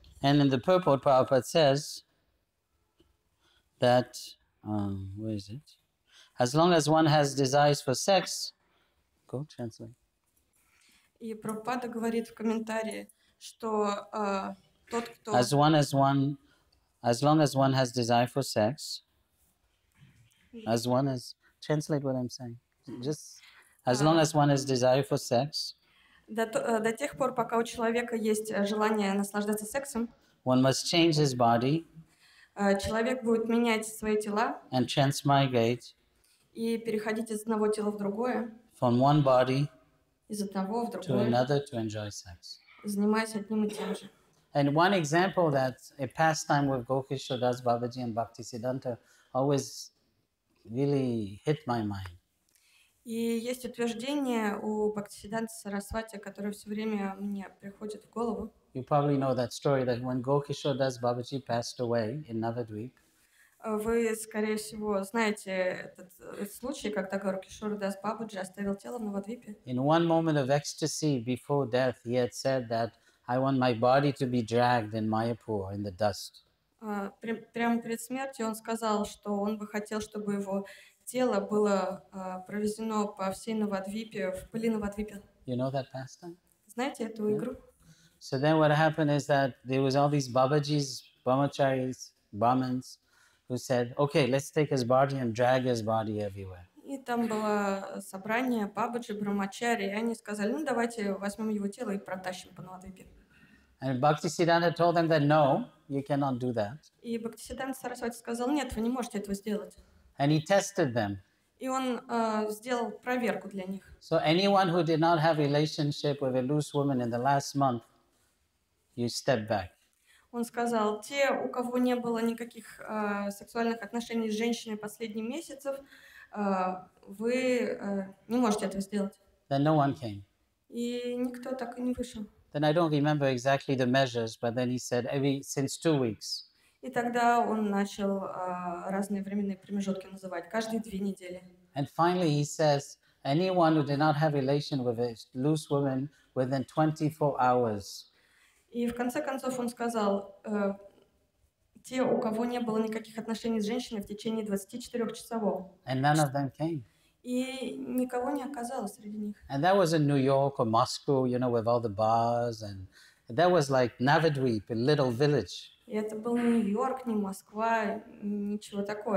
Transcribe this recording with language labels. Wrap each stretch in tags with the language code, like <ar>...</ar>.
<en>And in the purport, Prabhupada says that where is it? As long as one has desires for sex, go translate.</en> <ru>И Прабхупада говорит в комментарии, что тот, кто</ru> <en>as long as one has desire for sex, as one has translate what I'm saying. Just as long as one has desire for sex.</en> <ru>До тех пор, пока у человека есть желание наслаждаться сексом.</ru> <en>One must change his body.</en> <ru>Человек будет менять свои тела.</ru> <en>And transmigrate.</en> <ru>И переходить из одного тела в другое.</ru> <en>From one body.</en> <ru>Из одного в другое.</ru> <en>To another to enjoy sex.</en> <ru>Занимаясь одним и тем же.</ru> <en>And one example that a pastime with Gokishodas Babaji and Bhaktisiddhanta always really hit my mind.</en> <ru>И есть утверждение у Бхактисиддханты Сарасвати, которое все время мне приходит в голову.</ru> <en>You probably know that story that when Gokishodas Babaji passed away in Navadvip.</en> <ru>Вы, скорее всего, знаете этот случай, когда Гокишодас Бабаджи оставил тело в Навадвипе.</ru> <en>In one moment of ecstasy before death, he had said that I want my body to be dragged in Mayapur in the dust.</en> <ru>Прямо перед смертью он сказал, что он бы хотел, чтобы его тело было провезено по всей Навадвипе, в пыли Навадвипе.</ru> <en>You know that pastime?</en> <ru>Знаете эту yeah. игру?</ru> <en>So then what happened is that there was all these Babaji's, Brahmacharis, Brahmins, who said, okay, let's take his body and drag his body everywhere.</en> <ru>И там было собрание Бабаджи, Брамачари, и они сказали, ну давайте возьмем его тело и протащим по Навадвипе.</ru> <en>And Bhaktisiddhanta told them that no, you cannot do that.</en> <ru>И Бхактисиддханта Сарасвати сказал, нет, вы не можете этого сделать.</ru> <en>And he tested them.</en> <ru>И он сделал проверку для них.</ru> <en>So anyone who did not have relationship with a loose woman in the last month, you step back.</en> <ru>Он сказал, те, у кого не было никаких сексуальных отношений с женщиной последние месяцы, вы не можете этого сделать.</ru> <en>Then no one came.</en> <ru>И никто так и не вышел.</ru> <en>Then I don't remember exactly the measures, but then he said, since 2 weeks.</en> <ru>И тогда он начал разные временные промежутки называть, каждые 2 недели.</ru> <en>And finally he says, anyone who did not have relation with a loose woman within 24 hours.</en> <ru>И в конце концов он сказал, те, у кого не было никаких отношений с женщиной в течение 24 часов.</ru> <en>And none of them came.</en> <ru>И никого не оказалось среди них.</ru> <en>And that was in New York or Moscow, you know, with all the bars, and that was like Navadvip, a little village.</en> <ru>И это был не Нью-Йорк, не Москва, ничего такого.</ru>